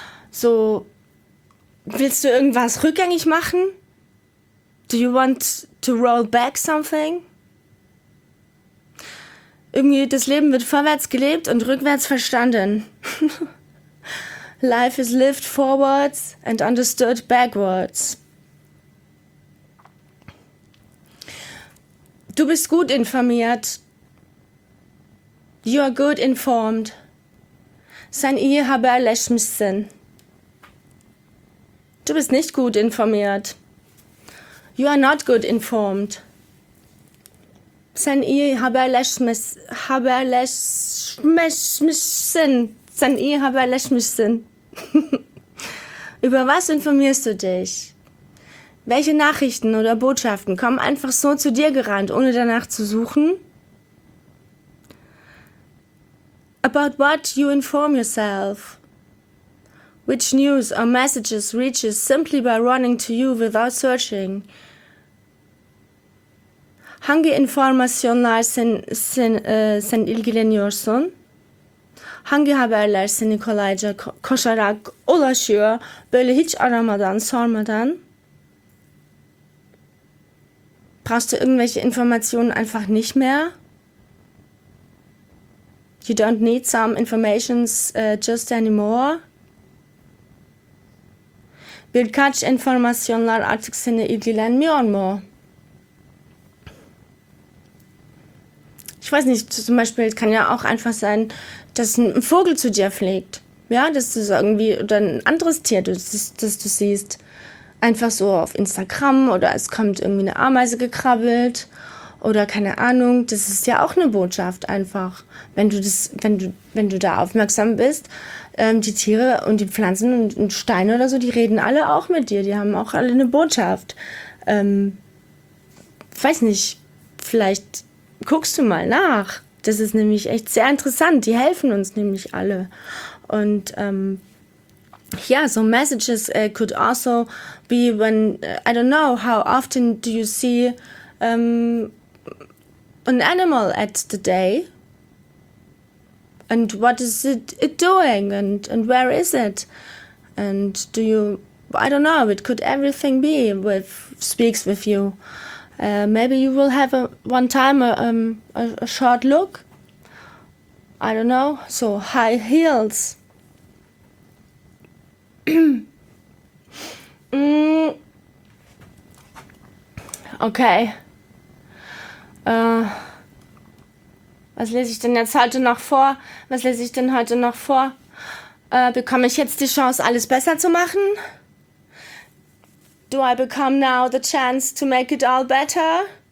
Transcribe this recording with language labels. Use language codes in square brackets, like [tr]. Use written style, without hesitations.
[de] So, willst du irgendwas rückgängig machen? [en] Do you want to roll back something? [de] Irgendwie, das Leben wird vorwärts gelebt und rückwärts verstanden. [en] Life is lived forwards and understood backwards. [de] Du bist gut informiert. [en] You are good informed. [de] Sein I habe erlebt. Du bist nicht gut informiert. [en] You are not good informed. [de] Sein I habe erlebt. Sein I habe erlebt. Über was informierst du dich? Welche Nachrichten oder Botschaften kommen einfach so zu dir gerannt, ohne danach zu suchen? [en] About what you inform yourself? Which news or messages reaches simply by running to you without searching? [tr] Hange informationer sen ilgileniyorsun? Hangi haberler seni kolayca koşarak ulaşıyor, böyle hiç aramadan, sormadan? [de] Brauchst du irgendwelche Informationen einfach nicht mehr? [en] You don't need some informations just anymore? [tr] Birkaç informasyonlar artık seni ilgilenmiyor mu? [de] Ich weiß nicht, zum Beispiel, es kann ja auch einfach sein, dass ein Vogel zu dir fliegt. Ja, dass du irgendwie, oder ein anderes Tier, das du siehst. Einfach so auf Instagram, oder es kommt irgendwie eine Ameise gekrabbelt, oder keine Ahnung. Das ist ja auch eine Botschaft einfach. Wenn du da aufmerksam bist, die Tiere und die Pflanzen und Steine oder so, die reden alle auch mit dir. Die haben auch alle eine Botschaft. Weiß nicht, vielleicht guckst du mal nach. Das ist nämlich echt sehr interessant. Die helfen uns nämlich alle. [en] Und messages could also be when, I don't know, how often do you see an animal at the day? And what is it doing? And where is it? And do you, I don't know, it could everything be with, speaks with you. Maybe you will have a short look. I don't know, so high heels. Okay. [de] Was lese ich denn jetzt heute noch vor? Was lese ich denn heute noch vor? Bekomme ich jetzt die Chance, alles besser zu machen? [en] Do I become now the chance to make it all better?